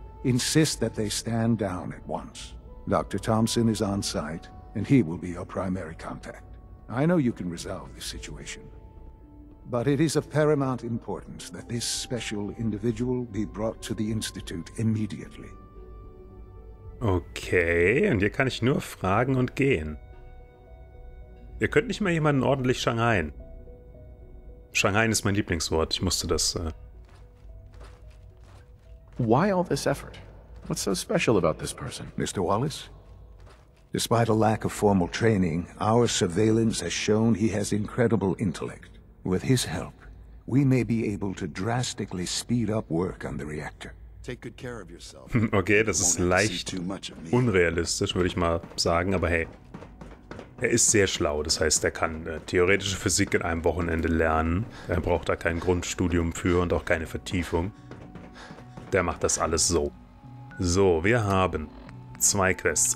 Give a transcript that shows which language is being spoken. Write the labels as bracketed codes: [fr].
[en] Insist that they stand down at once. Dr. Thompson is on site, and he will be your primary contact. I know you can resolve this situation. But it is of paramount importance that this special individual be brought to the Institute immediately. [de] Okay, und hier kann ich nur fragen und gehen. Ihr könnt nicht mal jemanden ordentlich shanghaien. Shanghaien ist mein Lieblingswort, ich musste das... [en] Why all this effort? What's so special about this person? Mr. Wallace? Despite a lack of formal training, our surveillance has shown he has incredible intellect. With his help, we may be able to drastically speed up work on the reactor. Take good care of yourself. [de] Okay, das ist leicht unrealistisch, würde ich mal sagen, aber hey. Er ist sehr schlau, das heißt, er kann theoretische Physik in einem Wochenende lernen. Er braucht da kein Grundstudium für und auch keine Vertiefung. Der macht das alles so. So, wir haben zwei Quests.